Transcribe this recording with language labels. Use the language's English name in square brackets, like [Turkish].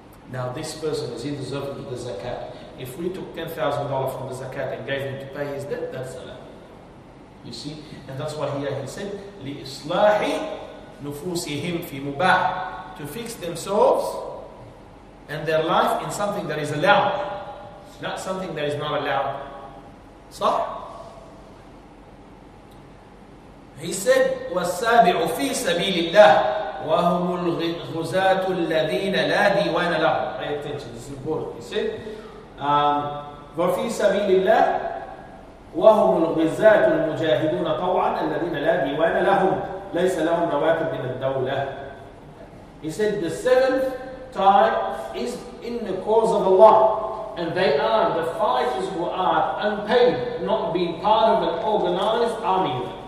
[English] Now this person, is he deserving of the zakat? If we took $10,000 from the zakat and gave him to pay his debt, that's salah. You see? And that's why here he said, [Arabic] لِإِصْلَاحِ نُفُوسِهِمْ فِي مُبَاحِ, [English] to fix themselves and their life in something that is allowed, not something that is not allowed. [Arabic] صح؟ [English] He said, [Arabic] وَالسَّابِعُ فِي سَبِيلِ اللَّهِ وَهُمُ الْغُزَاتُ الَّذِينَ لَا دِيوَانَ لَهُمْ. [English] Pay attention, this is important. He said, [Arabic] وَفِي سَبِيلِ اللَّهِ وَهُمُ الْغُزَاتُ الْمُجَاهِدُونَ طَوْعًا الَّذِينَ لَا دِيوَانَ لَهُمْ لَيْسَ لَهُمْ رَوَاتِبٌ مِنَ الدَّوْلَةِ. [English] He said, the seventh tribe is in the cause of Allah, and they are the fighters who are unpaid, not being part of an organized army.